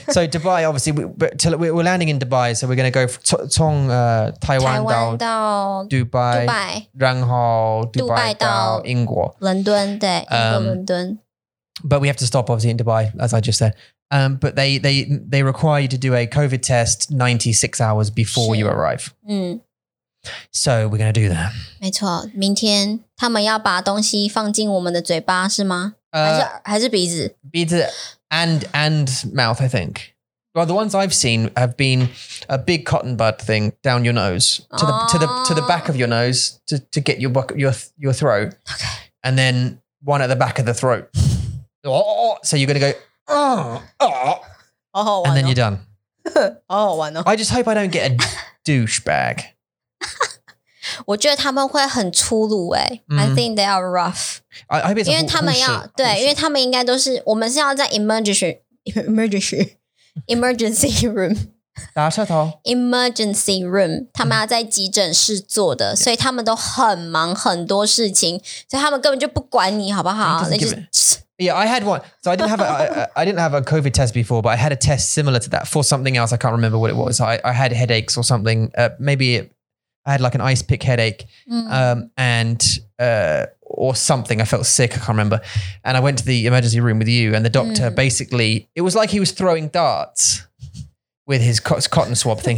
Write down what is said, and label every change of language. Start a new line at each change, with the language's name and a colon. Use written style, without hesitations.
English: So Dubai, obviously, we're landing in Dubai, so we're going to go from Taiwan to Dubai, then Dubai to England. London, yeah, London. But we have to stop, obviously, in Dubai, as I just said. But they require you to do a COVID test 96 hours before you arrive. So we're going to do that.
Chinese: 没错，明天他们要把东西放进我们的嘴巴是吗？还是鼻子？鼻子
English: and mouth, I think. Well, the ones I've seen have been a big cotton bud thing down your nose to the back of your nose to get your throat. Okay. And then one at the back of the throat. So you're going to go.
Chinese: 好好玩哦、
English: and then you're done.
Chinese: 好好玩哦
English: I just hope I don't get a douchebag.
Chinese: 我觉得他们会很粗鲁耶、欸
English: I think they are rough. I hope it's a whole shit.
Chinese: 对因为他们应该都是我们是要在 emergency room. 打车头
English: Emergency room.
Chinese: 他们要在急诊室做的、所以他们都很忙很多事情所以他们根本就不管你好不好
English: They just... Yeah, I had one. So I didn't have a COVID test before, but I had a test similar to that for something else. I can't remember what it was. I had headaches or something. I had like an ice pick headache or something. I felt sick. I can't remember. And I went to the emergency room with you and the doctor basically, it was like he was throwing darts with his cotton swab thing.